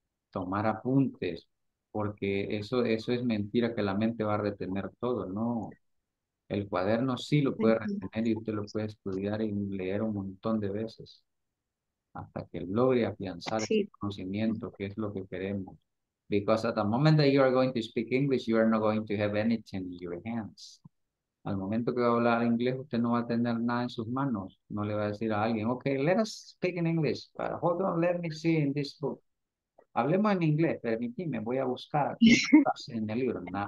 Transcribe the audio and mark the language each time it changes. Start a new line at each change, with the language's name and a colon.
Spanish: Tomar apuntes. Porque eso es mentira, que la mente va a retener todo, ¿no? El cuaderno sí lo puede retener y usted lo puede estudiar y leer un montón de veces hasta que logre afianzar sí el conocimiento, que es lo que queremos.
English: Because at the moment that you are going to speak English, you are not going to have anything in your hands.
Spanish: Al momento que va a hablar inglés, usted no va a tener nada en sus manos. No le va a decir a alguien,
English: ok, let us speak in English, but hold on, let me see in this book.
Spanish: Hablemos en inglés, permíteme, voy a buscar en el libro.